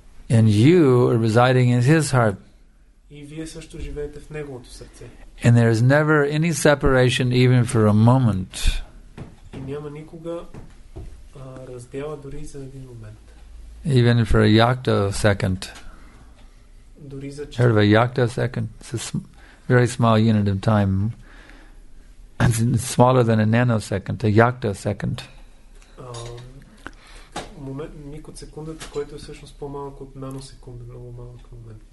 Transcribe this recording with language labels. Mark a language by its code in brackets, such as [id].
[en] And you are residing in his heart. [bg] И вие също живеете в неговото сърце. [en] And there is never any separation even for a moment. [bg] И няма никога раздяла дори за един момент. [en] Even for a yakta second. [bg] Дори за [en] Heard of a yakta second? It's a very small unit of time. It's smaller than a nanosecond, a yakta second. [bg] Момент, миг от секундата, който е всъщност по-малък от наносекунда, много малък момент.